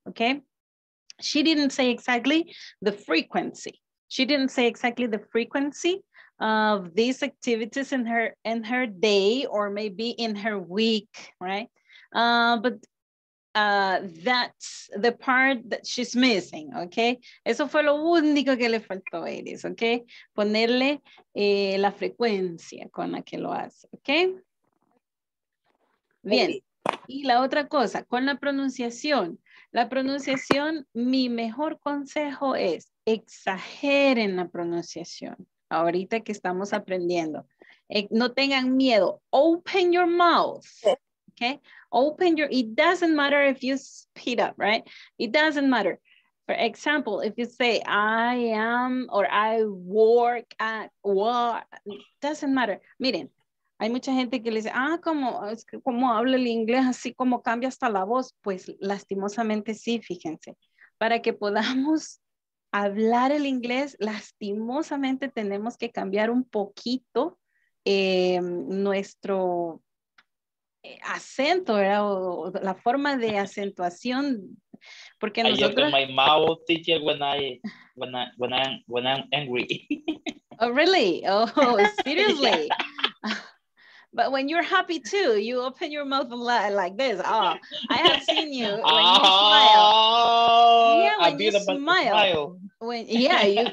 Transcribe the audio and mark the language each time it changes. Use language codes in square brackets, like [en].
[en] Okay, she didn't say exactly the frequency. She didn't say exactly the frequency of these activities in her day or maybe in her week, right? But that's the part that she's missing, okay? [es] Eso fue lo único que le faltó a Iris, okay? Ponerle la frecuencia con la que lo hace, okay? Bien, y la otra cosa, con la pronunciación. La pronunciación, mi mejor consejo es exageren la pronunciación. Ahorita que estamos aprendiendo. No tengan miedo, [en] open your mouth, okay? [es] Open your, it doesn't matter if you speed up, right? It doesn't matter. For example, if you say, I am, or I work at war, doesn't matter. Miren, hay mucha gente que le dice, como habla el inglés, así como cambia hasta la voz. Pues lastimosamente sí, fíjense. Para que podamos hablar el inglés, lastimosamente tenemos que cambiar un poquito nuestro acento, ¿verdad? O la forma de acentuación, porque nosotros. [en] I open my mouth, teacher, when I'm angry. Oh, really? Oh, seriously? But when you're happy too, you open your mouth a lot like this. Oh, I have seen you when you smile.